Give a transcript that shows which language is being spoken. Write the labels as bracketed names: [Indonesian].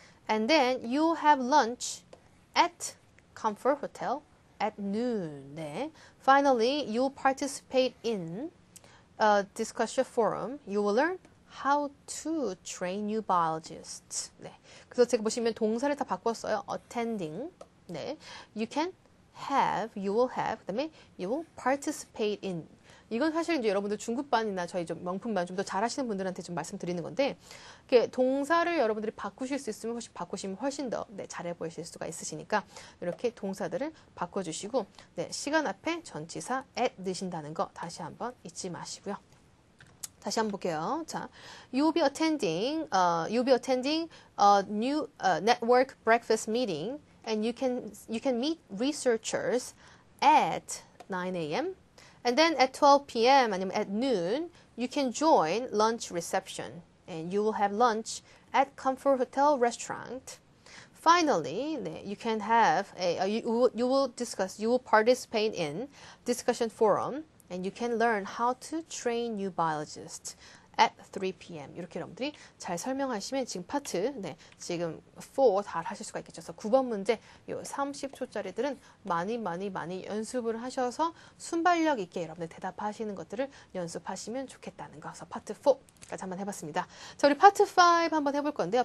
[English] And then you'll have lunch at Comfort Hotel at noon. 네. Finally, you'll participate in a discussion forum. You will learn how to train new biologists. [Korean] 네. 그래서 제가 보시면 동사를 다 바꿨어요. [English] Attending. 네. You can have, you will have, 그다음에 you will participate in. [Korean] 이건 사실 이제 여러분들 중급반이나 저희 좀 명품반 좀더 잘하시는 분들한테 좀 말씀드리는 건데, 이렇게 동사를 여러분들이 바꾸실 수 있으면 혹시 바꾸시면 훨씬 더 네, 잘해 보이실 수가 있으시니까 이렇게 동사들을 바꿔주시고 네, 시간 앞에 전치사 at 넣으신다는 거 다시 한번 잊지 마시고요. 다시 한번 볼게요. [English] 자, you'll be attending a new network breakfast meeting, and you can meet researchers at 9 a.m. And then at 12 p.m. [Korean] 아니면 [English] at noon, you can join lunch reception, and you will have lunch at Comfort Hotel restaurant. Finally, 네, you can have a you will participate in discussion forum. And you can learn how to train new biologists at 3 p.m. [Korean] 이렇게 여러분들이 잘 설명하시면 지금 파트, 네, 지금 4다 하실 수가 있겠죠. 그래서 9번 문제, 요 30초짜리들은 많이 많이 많이 연습을 하셔서 순발력 있게 여러분들 대답하시는 것들을 연습하시면 좋겠다는 거. 그래서 파트 4까지 한번 해봤습니다. 자, 우리 파트 5 한번 해볼 건데요.